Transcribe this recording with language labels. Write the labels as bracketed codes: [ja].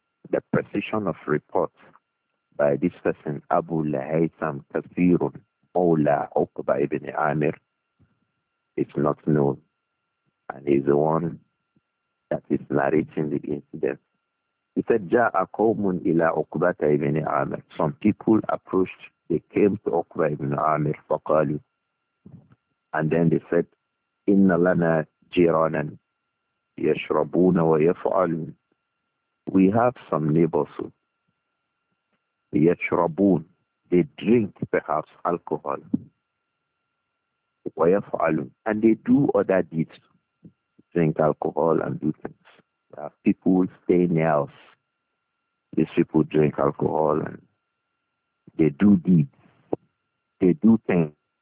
[en] The precision of reports by this person, Abu al-Haytham Kathir Mawla Uqba ibn Amir, is not known. And he's the one that is narrating the incident. He said, [ar] Ja'a qawmun ila Uqbata ibn Amir. [en] Some people approached, they came to Uqba ibn Amir, [ar] faqalu. And then they said, إِنَّ لَنَا جِرَانًا يَشْرَبُونَ وَيَفْعَلُونَ. [en] We have some neighbors who يشربون, they drink perhaps alcohol, ويفعلون, and they do other deeds, drink alcohol and do things. There are people stay nails. These people drink alcohol and they do deeds. They do things.